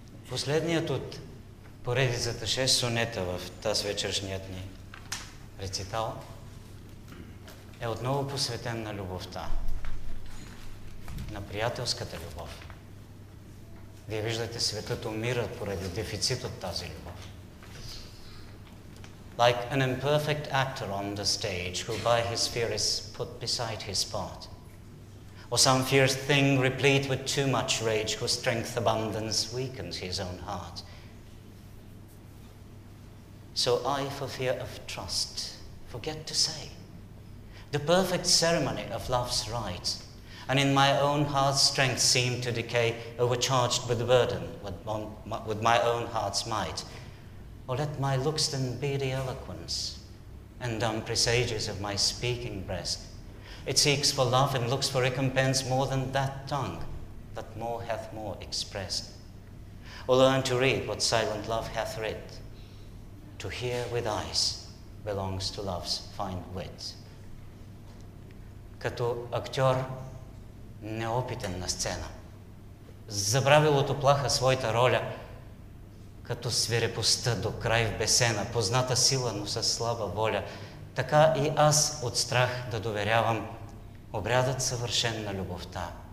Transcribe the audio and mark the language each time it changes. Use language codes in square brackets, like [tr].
[bg] Последният от поредицата 6 сонета в тази вечершният ни рецитал е отново посветен на любовта, на приятелската любов. Вие виждате, светът умира поради дефицит от тази любов. [en] Like an imperfect actor on the stage, who by his fear is put beside his part, or some fierce thing replete with too much rage, whose strength abundance weakens his own heart. So I, for fear of trust, forget to say the perfect ceremony of love's rite, and in my own heart's strength seem to decay, overcharged with the burden, with my own heart's might. Or let my looks then be the eloquence and dumb presages of my speaking breast. It seeks for love and looks for recompense more than that tongue that more hath more expressed. Or learn to read what silent love hath writ. To hear with eyes belongs to love's fine wit. [bg] Като актьор, неопитен на сцена, забравил от оплаха своята роля, като свирепостта до край в бесена, позната сила, но със слаба воля, така и аз от страх да доверявам обрядът съвършен на любовта.